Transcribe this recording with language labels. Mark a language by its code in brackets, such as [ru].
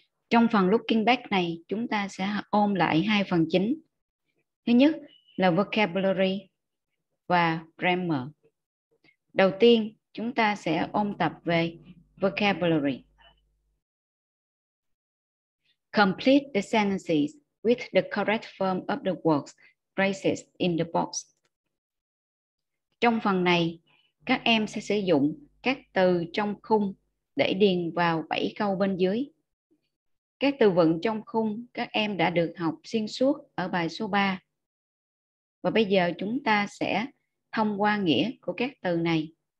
[vi] Trong phần Looking Back này, chúng ta sẽ ôm lại hai phần chính. Thứ nhất là Vocabulary và Grammar. Đầu tiên, chúng ta sẽ ôn tập về Vocabulary. [en] Complete the sentences with the correct form of the words phrases in the box. [vi] Trong phần này, các em sẽ sử dụng các từ trong khung để điền vào 7 câu bên dưới. Các từ vựng trong khung các em đã được học xuyên suốt ở bài số 3. Và bây giờ chúng ta sẽ thông qua nghĩa của các từ này.